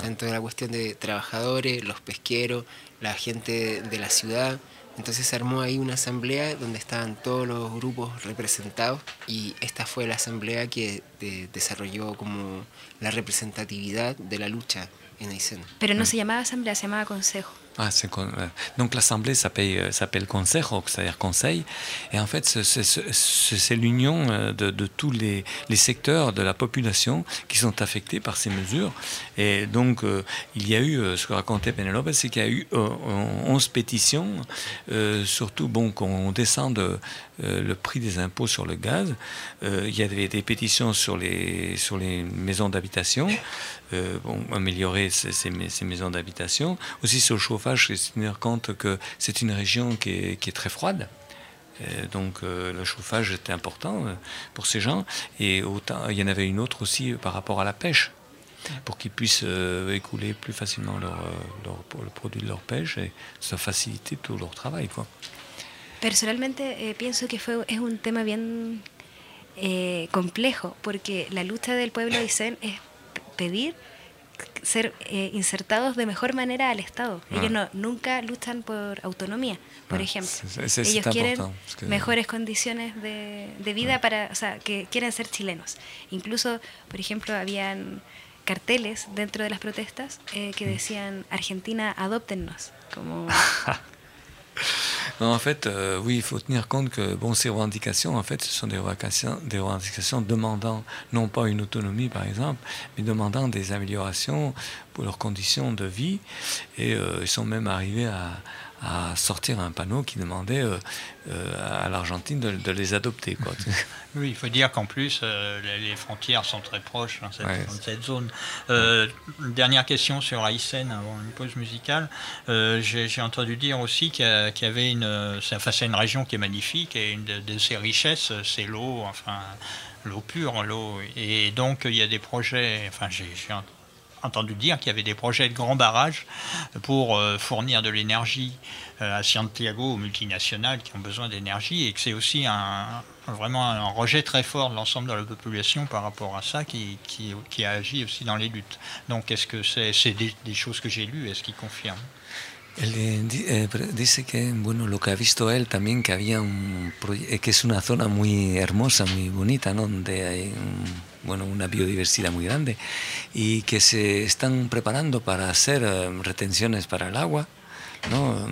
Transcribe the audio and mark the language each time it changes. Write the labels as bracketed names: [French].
[Spanish] Tanto de la cuestión de trabajadores, los pesqueros, la gente de la ciudad. Entonces se armó ahí una asamblea donde estaban todos los grupos representados y esta fue la asamblea que desarrolló como la representatividad de la lucha en Aysén. Pero no se llamaba asamblea, se llamaba consejo. [French] Ah, c'est con, donc l'assemblée s'appelle, s'appelle consejo, c'est-à-dire conseil. Et en fait, c'est l'union de tous les secteurs de la population qui sont affectés par ces mesures. Et donc, il y a eu, ce que racontait Penelope, c'est qu'il y a eu 11 pétitions, surtout bon, qu'on descende le prix des impôts sur le gaz. Il y avait des pétitions sur les maisons d'habitation, bon, améliorer ces maisons d'habitation. Aussi sur le chauffage, c'est tenir compte que c'est une région qui est très froide. Donc le chauffage était important pour ces gens. Et autant, il y en avait une autre aussi par rapport à la pêche, pour qu'ils puissent écouler plus facilement le produit de leur pêche et ça facilite tout leur travail, quoi. [Spanish] Personalmente pienso que fue es un tema bien complejo porque la lucha del pueblo de Aysén es pedir ser insertados de mejor manera al Estado. Ellos no nunca luchan por autonomía, por ejemplo. Ellos quieren mejores condiciones de vida para, o sea, que quieren ser chilenos. Incluso, por ejemplo, habían carteles dentro de las protestas que decían Argentina, adóptennos, como [French] Non, en fait, oui, il faut tenir compte que bon, ces revendications, en fait, ce sont des revendications demandant non pas une autonomie, par exemple, mais demandant des améliorations pour leurs conditions de vie. Et ils sont même arrivés à sortir un panneau qui demandait à l'Argentine de les adopter, quoi. Oui, il faut dire qu'en plus, les frontières sont très proches dans cette zone. Dernière question sur Aysén, avant une pause musicale. J'ai entendu dire aussi qu'il y avait c'est une région qui est magnifique, et une de ses richesses, c'est l'eau, enfin, l'eau pure, l'eau. Et donc, il y a des projets, enfin, j'ai entendu dire qu'il y avait des projets de grands barrages pour fournir de l'énergie à Santiago, aux multinationales qui ont besoin d'énergie, et que c'est aussi un rejet très fort de l'ensemble de la population par rapport à ça qui a agi aussi dans les luttes. Donc est-ce que c'est des choses que j'ai lues, est-ce qu'ils confirment? [Spanish] Él dice que bueno, lo que ha visto él también, que había un proyecto, que es una zona muy hermosa, muy bonita, ¿no? Donde hay bueno, una biodiversidad muy grande, y que se están preparando para hacer retenciones para el agua, ¿no?